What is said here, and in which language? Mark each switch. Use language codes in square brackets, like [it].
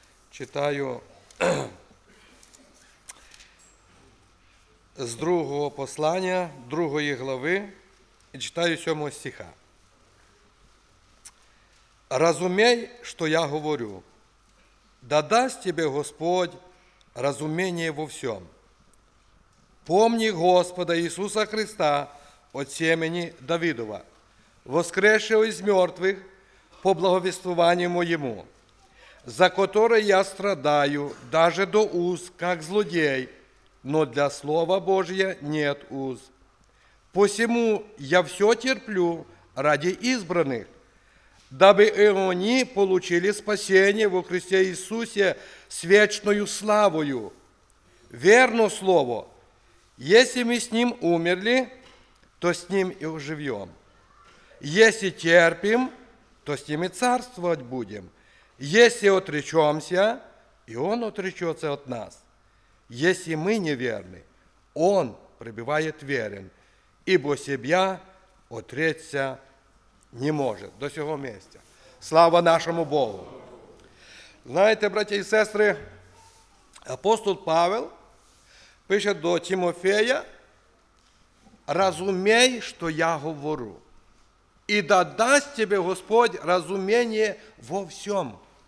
[uk] Читаю з другого послання, другої глави, і читаю сьомого стиха. «Розумій, що я говорю, да дасть тебе Господь розуміння во всьому. [ru] Помни Господа Иисуса Христа от семени Давидова, воскресшего из мертвых по благовествованию моему, за которое я страдаю даже до уз, как злодей, но для Слова Божия нет уз. Посему я все терплю ради избранных, дабы и они получили спасение во Христе Иисусе с вечною славою. Верно Слово! Если мы с Ним умерли, то с Ним и оживем. Если терпим, то с Ним и царствовать будем. Если отречемся, и Он отречется от нас. Если мы неверны, Он пребывает верен, ибо себя отречься не может». До сего места. Слава нашему Богу! [uk] Знаете, братья и сестры, апостол Павел пише до Тимофея: «Розумій, що я говорю, і да дасть тебе Господь розуміння во всьому».